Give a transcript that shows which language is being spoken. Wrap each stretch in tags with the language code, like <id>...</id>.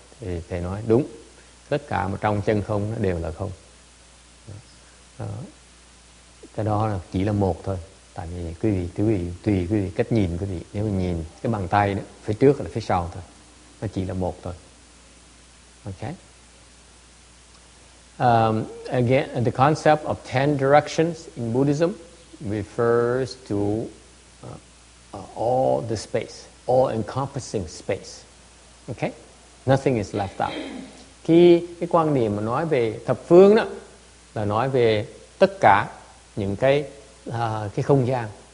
<vi>Thì thầy nói đúng, tất cả mà trong chân không nó đều là không. Đó. Cái đó là chỉ là một thôi. Tại vì quý vị, tùy quý vị cách nhìn quý vị, nếu mà nhìn cái bàn tay đó, phía trước hay là phía sau thôi. Nó chỉ là một thôi.</vi> <en>Okay. Again, the concept of 10 directions in Buddhism refers to all the space, all encompassing space. Okay? Nothing is left out.</en> <vi>Khi cái quan điểm mà nói về thập phương đó là nói về tất cả những cái không gian.</vi>